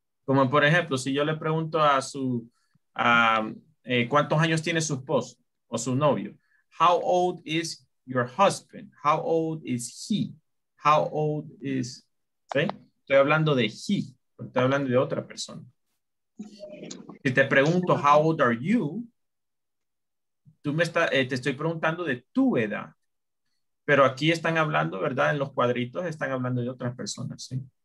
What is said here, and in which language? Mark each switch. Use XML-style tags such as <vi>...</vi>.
<es>Como por ejemplo, si yo le pregunto a su ¿cuántos años tiene su esposo o su novio?</es> <en>How old is your husband, how old is he? How old is, ¿sí?</en> <es>Estoy hablando de he, estoy hablando de otra persona. Si te pregunto,</es> <en>how old are you?</en> <es>Te estoy preguntando de tu edad. Pero aquí están hablando, ¿verdad? En los cuadritos están hablando de otras personas, ¿sí?</es>